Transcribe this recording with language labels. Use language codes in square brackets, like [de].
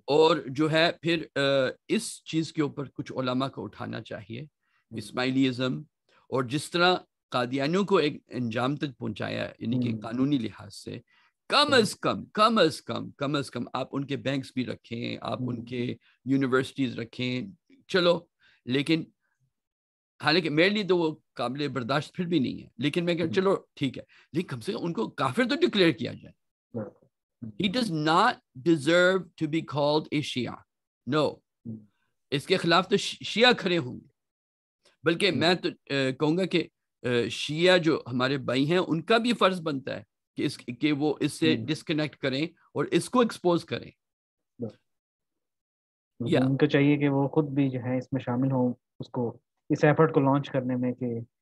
[ur] اور جو ہے پھر اس چیز کے اوپر کچھ علماء کو اٹھانا چاہیے اسماعیلیزم, اور جس طرح قادیانیوں کو ایک انجام تک پہنچایا یعنی کہ قانونی لحاظ سے, کم از کم آپ ان کے بینکس بھی رکھیں, آپ ان کے یونیورسٹیز رکھیں چلو, لیکن حالانکہ میرے لیے تو وہ قابل برداشت پھر بھی نہیں ہے, لیکن میں کہ چلو ٹھیک ہے, لیکن کم سے کم ان کو کافر تو ڈکلیئر کیا جائے. [en] He does not deserve to be called a Shia. No. [ur] اس کے خلاف تو شیعہ کھڑے ہوں گے, بلکہ میں تو کہوں گا کہ شیعہ جو ہمارے بھائی ہیں ان کا بھی فرض بنتا ہے کہ اس کہ وہ اس سے ڈسکنیکٹ کریں اور اس کو ایکسپوز کریں, یا ان کو چاہیے کہ وہ خود بھی جو ہے اس میں شامل ہوں, اس کو اس ایفرٹ کو لانچ کرنے میں کہ